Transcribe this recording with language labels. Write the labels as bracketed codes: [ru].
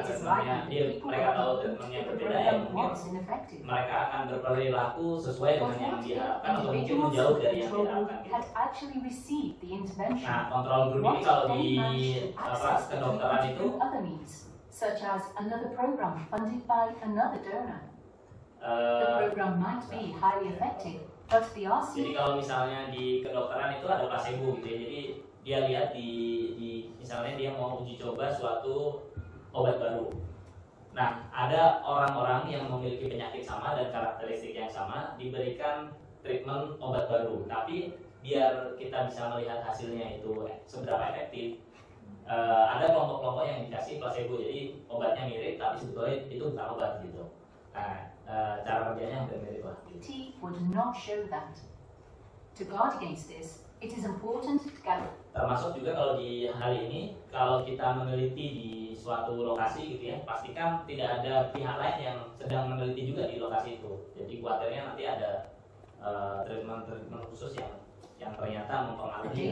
[id] sebenarnya mereka tahu temannya berbeda ya, mungkin mereka akan berperilaku sesuai dengan yang diharapkan atau mungkin menjauh dari yang diharapkan. Gitu. Nah, kontrol grup ini kalau di kelas kedokteran itu, [en] such as another program funded by another donor. The program might be highly effective, but the RC. [id] Jadi kalau misalnya di kedokteran itu ada placebo gitu ya, jadi dia lihat di misalnya dia mau uji coba suatu obat baru. Nah, ada orang-orang yang memiliki penyakit sama dan karakteristik yang sama diberikan treatment obat baru. Tapi biar kita bisa melihat hasilnya itu seberapa efektif, ada kelompok-kelompok yang dikasih placebo, jadi obatnya mirip tapi sebetulnya itu bukan obat gitu. Nah, cara kerjanya hampir mirip lah. [en] T would not show that. To guard against this, it is important to gather. [id] Termasuk juga kalau di hari ini, kalau kita meneliti di suatu lokasi gitu ya, pastikan tidak ada pihak lain yang sedang meneliti juga di lokasi itu. Jadi khawatirnya nanti ada treatment-treatment khusus yang ternyata mempengaruhi hasil.